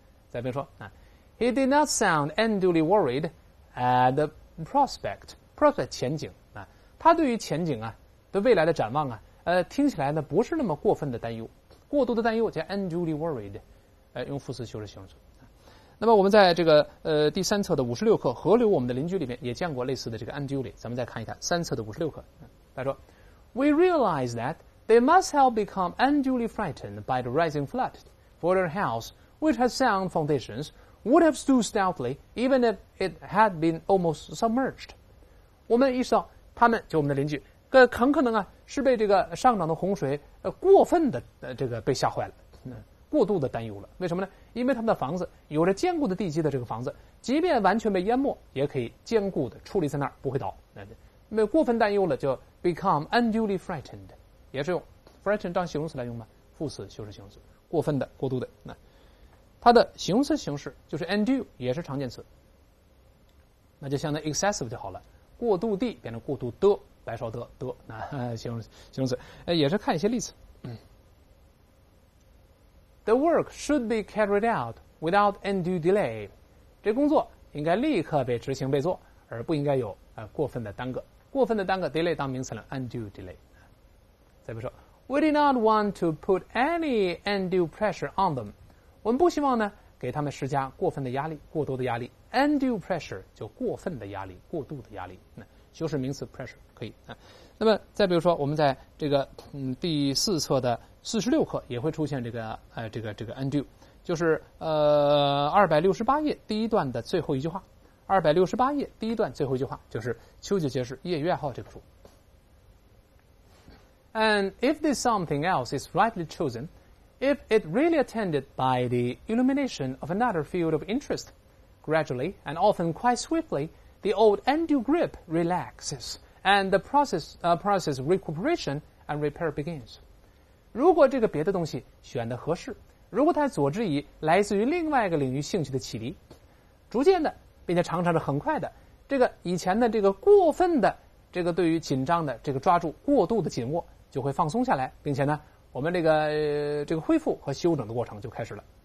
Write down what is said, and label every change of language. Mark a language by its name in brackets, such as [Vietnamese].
[Chinese] 再比如说啊 ， [English] he did not sound unduly worried at the prospect [Chinese] 前景啊，他对于前景啊的未来的展望啊，听起来呢不是那么过分的担忧，过度的担忧叫 unduly worried， 用副词修饰形容词。那么我们在这个第三册的56课《河流我们的邻居》里面也见过类似的这个 unduly， 咱们再看一看三册的56课。他说 [English] ，We realize that they must have become unduly frightened by the rising flood, for their house, which has sound foundations, would have stood stoutly even if it had been almost submerged。 [Chinese] 我们意识到他们就我们的邻居，很可能是被这个上涨的洪水过分的这个被吓坏了。过度的担忧了，为什么呢？因为他们的房子有着坚固的地基的这个房子，即便完全被淹没，也可以坚固的矗立在那儿，不会倒。那么过分担忧了，就 [English] become unduly frightened， [Chinese] 也是用 frightened 当形容词来用吗？副词修饰形容词，过分的、过度的。那它的形容词形式就是 undue， 也是常见词。那就相当于 excessive 就好了。过度地变成过度的，白说的，那形容词，也是看一些例子。 [English] The work should be carried out without undue delay. [Chinese] 这工作应该立刻被执行被做，而不应该有过分的耽搁。过分的耽搁 [English] delay [Chinese] 当名词了 [English] ，undue delay。 [Chinese] 再比如说 [English] ，We did not want to put any undue pressure on them. [Chinese] 我们不希望呢给他们施加过分的压力，过多的压力。 Undue pressure 就过分的压力，过度的压力。那修饰名词 pressure 可以啊。那么再比如说，我们在这个第四册的46课也会出现这个 undue， 就是268页第一段的最后一句话。 268页第一段最后一句话就是丘吉尔解释业余爱好这个书。 [English] And if this something else is rightly chosen, if it really attended by the illumination of another field of interest, gradually and often quite swiftly, the old undue grip relaxes, and the process recuperation and repair begins. [Chinese] 如果这个别的东西选得合适，如果它佐之以来自于另外一个领域兴趣的启迪，逐渐的并且常常是很快的，这个以前的这个过分的这个对于紧张的这个抓住过度的紧握就会放松下来，并且呢我们这个恢复和修整的过程就开始了。